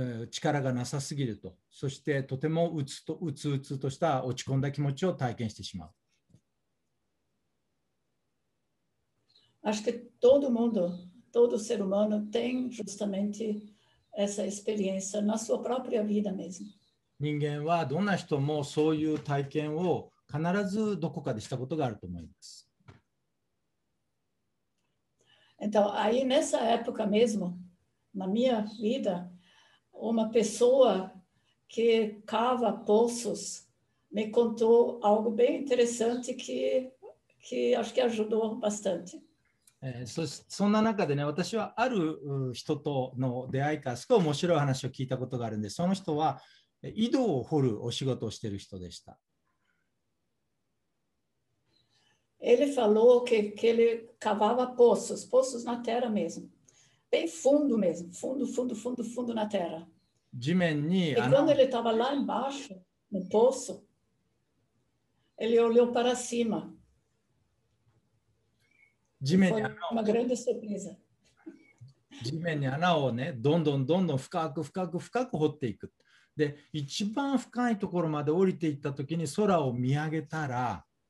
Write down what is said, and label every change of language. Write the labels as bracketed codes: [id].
[ja] 力がなさすぎると、そしてとてもうつうつとした落ち込んだ気持ちを体験してしまう。 [pt] Acho que todo mundo, todo ser humano tem justamente essa experiência na sua própria vida mesmo. [ja] 人間はどんな人もそういう体験を必ずどこかでしたことがあると思います。 [pt] Então, aí nessa época mesmo, na minha vida,Uma pessoa que cava poços me contou algo bem interessante que acho que ajudou bastante. [ja] そんな中でね、私はある人との出会いからすごい面白い話を聞いたことがあるんで、その人は井戸を掘るお仕事をしている人でした。 [pt] Ele falou que ele cavava poços, poços na terra mesmo, bem fundo mesmo, fundo, fundo, fundo, fundo na terra. [ja] 地面に穴。 [pt] Quando ele estava lá embaixo, no poço, ele olhou para cima. [ja] 地面に穴 [pt] を。Uma grande surpresa. [ja] 地面に穴をね、どんどんどんどん深く深く深く掘っていく。で、一番深いところまで降りていったときに空を見上げたら。